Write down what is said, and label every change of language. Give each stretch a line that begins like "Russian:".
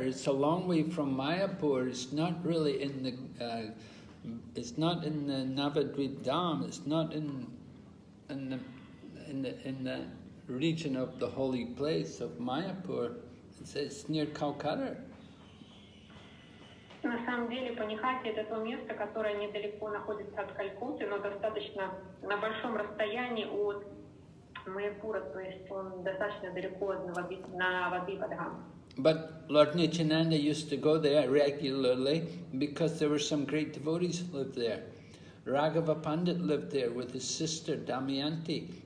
English: It's a long way from Mayapur. It's not really in the it's not in the Navadvip Dam. It's not in the region of the holy place of Mayapur. It's near Calcutta.
Russian: На самом деле, Панихати — это то место, которое недалеко находится от Калькутты, но достаточно на большом расстоянии от Майяпура, то есть он достаточно далеко от Навадвипа-дхам.
English: But Lord Nityananda used to go there regularly because there were some great devotees who lived there. Raghava Pandit lived there with his sister Damayanti,